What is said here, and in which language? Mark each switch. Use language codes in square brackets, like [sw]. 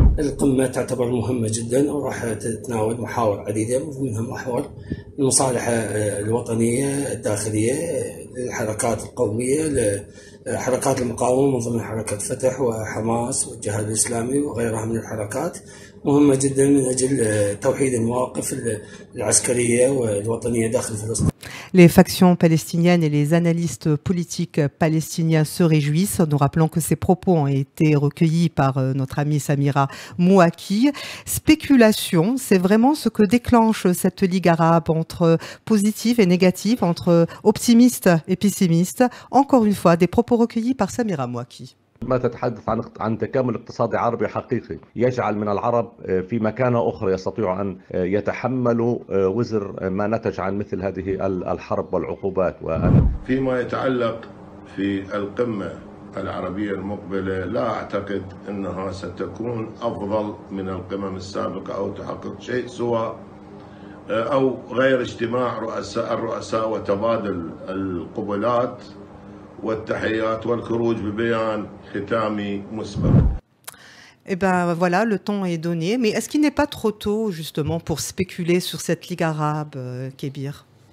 [ar] القمة تعتبر مهمة جدا وراح تتناول محاور عديدة، منها محور المصالحة الوطنية الداخلية الحركات القومية لحركات المقاومة من ضمن حركة فتح وحماس والجهاد الإسلامي وغيرها من الحركات، مهمة جدا من أجل توحيد المواقف العسكرية والوطنية داخل فلسطين. [fr] Les factions palestiniennes et les analystes politiques palestiniens se réjouissent. Nous rappelons que ces propos ont été recueillis par notre amie Samira Mouaki. Spéculation, c'est vraiment ce que déclenche cette ligue arabe entre positif et négatif, entre optimiste et pessimiste. Encore une fois, des propos recueillis par Samira Mouaki. [ar] ما تتحدث عن تكامل اقتصادي عربي حقيقي يجعل من العرب في مكانة أخرى يستطيع أن يتحمل وزر ما نتج عن مثل هذه الحرب والعقوبات فيما يتعلق في القمة العربية المقبلة لا أعتقد أنها ستكون أفضل من القمم السابقة أو تحقق شيء سوى أو غير اجتماع الرؤساء وتبادل القبلات والتحيات والخروج ببيان ختامي مسبق. [fr] Eh ben voilà, le temps est donné. Mais est-ce qu'il n'est pas trop tôt justement pour spéculer sur cette ligue arabe, Kébir?